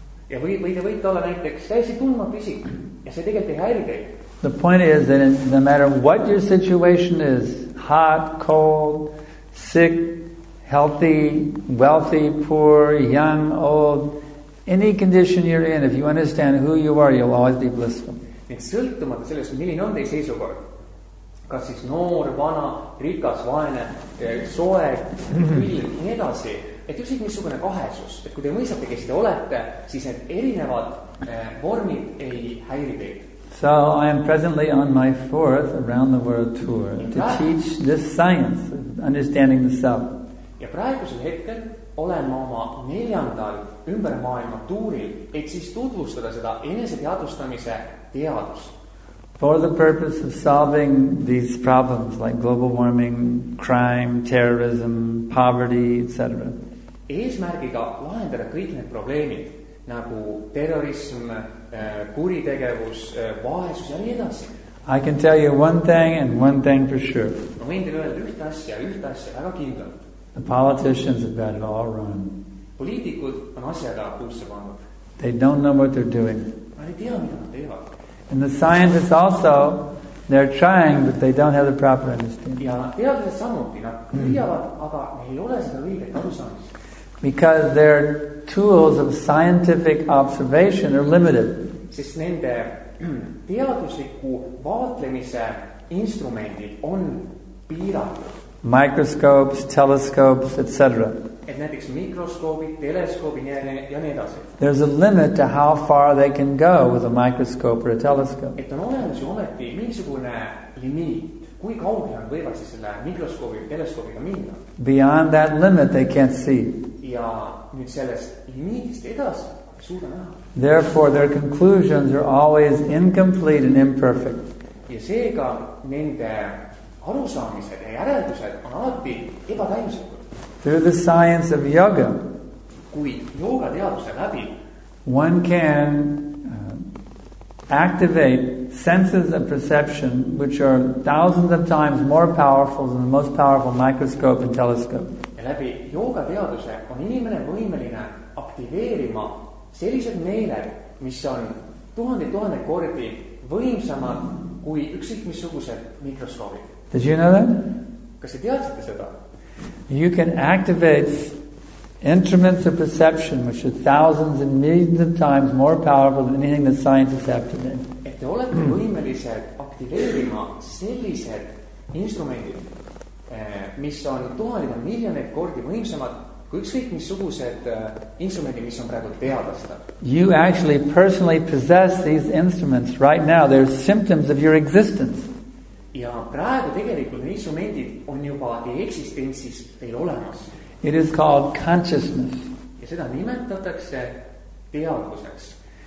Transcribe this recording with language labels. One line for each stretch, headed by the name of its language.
Estonian: Ja või te võite olla näiteks täiesti tundmatu isik ja see tegelikult ei häiri teid.
English: The point is that no matter what your situation is, hot, cold, sick, healthy, wealthy, poor, young, old, any condition you're in, if you understand who you are, you'll always be blissful.
Estonian: Et sõltumata sellest, milline on teie seisukord, kas siis noor, vana, rikas, vaene, soe, nii edasi, et ükskõik missugune kahesus, et kui te mõistate, kes te olete, siis need erinevad vormid ei häiri teid.
English: So I am presently on my 4th around the world tour to teach this science of understanding the self.
Estonian: Ja praegusel hetkel olen ma oma 4. Ümber maailma tuuril, et siis tutvustada seda eneseteadvustamise teadust.
English: For the purpose of solving these problems like global warming, crime, terrorism, poverty, etc.
Estonian: Eesmärgiga lahendada kõik need probleemid, nagu terrorism, kuritegevus, vaesus ja nii edasi.
English: I can tell you one thing and one thing for sure.
Estonian: Ma võin teile öelda ühte asja väga kindlalt.
English: The politicians have got it all wrong.
Estonian: Poliitikud on asjaga kusse pannud.
English: They don't know what they're doing.
Estonian: Ma ei tea, mida nad teevad.
English: And the scientists also, they're trying, but they don't have the proper understanding.
Estonian: Ja teadlased samuti, nad püüavad, aga ei ole seda õiget arusaamist.
English: Because their tools of scientific observation are limited.
Estonian: Sest nende teadusliku vaatlemise instrumentid on piiratud.
English: Microscopes, telescopes, etc.
Estonian: Et näiteks mikroskoobid, teleskoobid ja nii edasi.
English: There's a limit to how far they can go with a microscope or a telescope.
Estonian: Et on olemas ju ometi mingisugune limiit. Kui kaugel on võivad siis selle mikroskoobi või teleskoobiga minna?
English: Beyond that limit they can't see.
Estonian: Ja nüüd sellest limiitist edasi suuda näha.
English: Therefore their conclusions are always incomplete and imperfect.
Estonian: Ja seega nende arusaamised ja järeldused on alati ebatäimselikud.
English: Through the science of yoga,
Estonian: kui jooga teaduse läbi,
English: one can activate senses of perception which are thousands of times more powerful than the most powerful microscope and telescope.
Estonian: Ja läbi jooga teaduse on inimene võimeline aktiveerima sellised meeled, mis on tuhande kordi võimsamad kui üksik missugused mikroskoobid.
English: Did you know that?
Estonian: Kas te teadsite seda?
English: You can activate instruments of perception which are thousands and millions of times more powerful than anything that scientists have today.
Estonian: Et te olete võimelised aktiveerima sellised instrumentid, mis on tuhandeid miljoneid kordi võimsamad kui ükskõik missugused instrumentid, mis on praegu teadastatud.
English: You actually personally possess these instruments right now. They're symptoms of your existence.
Estonian: Ja praegu tegelikult need instrumentid on juba teie eksistentsis teil olemas. It is called consciousness. Ja seda nimetatakse teadvuseks.